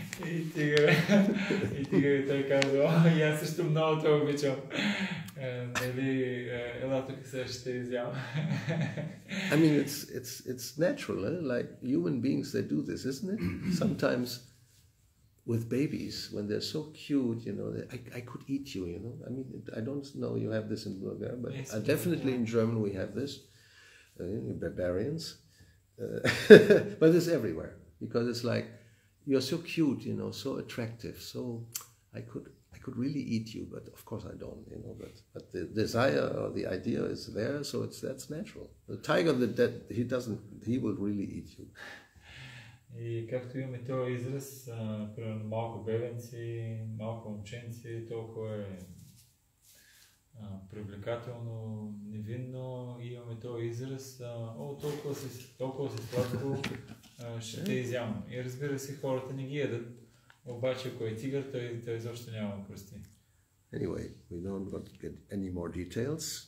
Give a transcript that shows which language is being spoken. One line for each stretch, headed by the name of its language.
Bulgarian: И той казва, и аз също много те обичам. Нали, ела тук сега ще изям.
English: I mean, it's natural, eh? Like human beings, they do this, isn't it? Sometimes with babies, when they're so cute, you know, I could eat you, you know? I mean, I don't know you have this in Bulgaria, but yes, definitely in German we have this, barbarians. but it's everywhere, because it's like, you're so cute, you know, so attractive, so I could really eat you, but of course I don't, you know, but the desire or the idea is there, so that's natural. The tiger, he will really eat you.
Bulgarian: И както имаме този израз, примерно малко бебенци, малко момченци, толкова е привлекателно, невинно, и имаме този израз, толкова си сладко, ще те изям. И разбира се, хората не ги ядат, обаче ако е тигър, той изобщо няма прости.
English: Anyway, we don't want to get any more details,